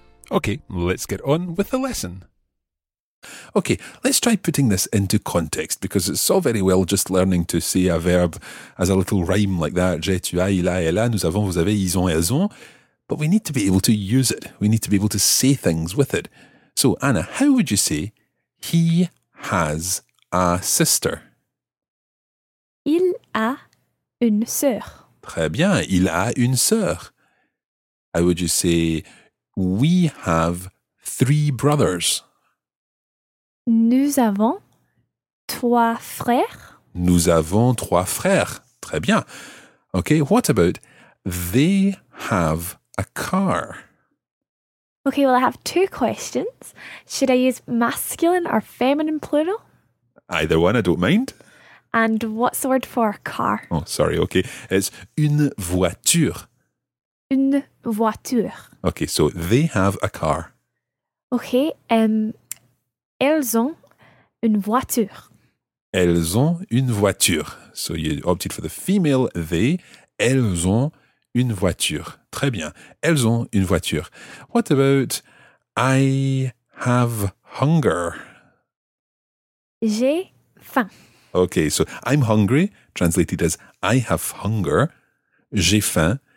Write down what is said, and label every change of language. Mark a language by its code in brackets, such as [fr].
[en] Okay, let's get on with the lesson. Okay, let's try putting this into context, because it's so very well just learning to say a verb as a little rhyme like that. [fr] J'ai, tu as, il a, elle a, nous avons, vous avez, ils ont, elles ont. [en] But we need to be able to use it. We need to be able to say things with it. So, Anna, how would you say he has a sister? [fr] Il a une sœur. Très bien, il a une sœur. [en] How would you say we have three brothers? [fr] Nous avons trois frères. Nous avons trois frères. Très bien. [en] Okay, what about they have a car? Okay, well, I have two questions. Should I use masculine or feminine plural? Either one, I don't mind. And what's the word for car? Oh, sorry. Okay, it's une voiture. [fr] Une voiture. [en] Okay, so they have a car. [fr] Okay, elles ont une voiture. Elles ont une voiture. [en] So you opted for the female they. [fr] Elles ont une voiture. Très bien. Elles ont une voiture. [en] What about I have hunger? [fr] J'ai faim. [en] Okay, so I'm hungry, translated as I have hunger. [fr] J'ai faim.